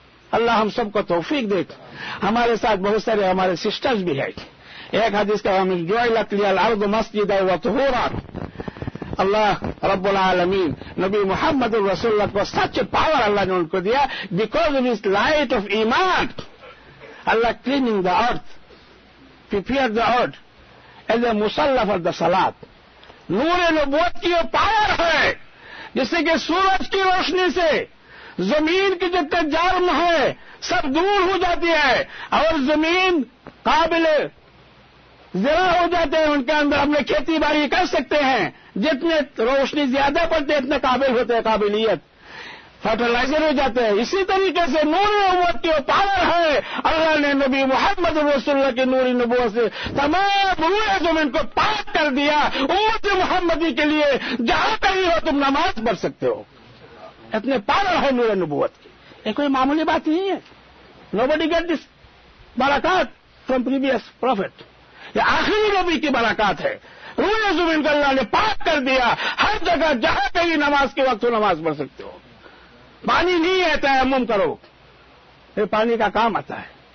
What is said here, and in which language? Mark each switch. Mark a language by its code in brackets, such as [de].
[ur] اللہ ہم سب کو توفیق دے. ہمارے ساتھ بہت سارے ہمارے سسٹرز بھی ہیں. ایک حدیث کا ہم جوائے لک لیا [ar] الارض مسجد و طہورا. [ur] اللہ رب العالمین نبی محمد الرسول اللہ کو [en] such power [ur] اللہ نے ان کو دیا, [en] Because of this light of ایمان. اللہ cleaning the earth, prepare the earth as a مصلی for the صلات. [ur] نور نبوت کی وہ پاور ہے جسے کہ سورج کی روشنی سے زمین کی جتنے جرم ہے سب دور ہو جاتی ہے, اور زمین قابل زرع ہو جاتے ہیں, ان کے اندر ہم نے کھیتی باڑی کر سکتے ہیں. جتنے روشنی زیادہ پڑتی ہے اتنے قابل ہوتے ہیں, قابلیت فرٹیلائزر ہو جاتے ہیں. اسی طریقے سے نور نبوت کی وہ پاور ہے. اللہ نے نبی محمد رسول اللہ کی نوری نبوت سے تمام روح زمین کو پاک کر دیا, امت محمدی کے لیے جہاں کہیں ہو تم نماز پڑھ سکتے ہو. اتنے پاور ہے نور نبوت کی, یہ کوئی معمولی بات نہیں ہے. [en] Nobody get this برکات from previous prophet. [ur] یہ آخری نبی کی برکات ہے. روح زمین کو اللہ نے پاک کر دیا, ہر جگہ جہاں کہیں نماز کے وقت ہو نماز پڑھ سکتے ہو. پانی نہیں ہے تیمم کرو, یہ پانی کا کام آتا ہے.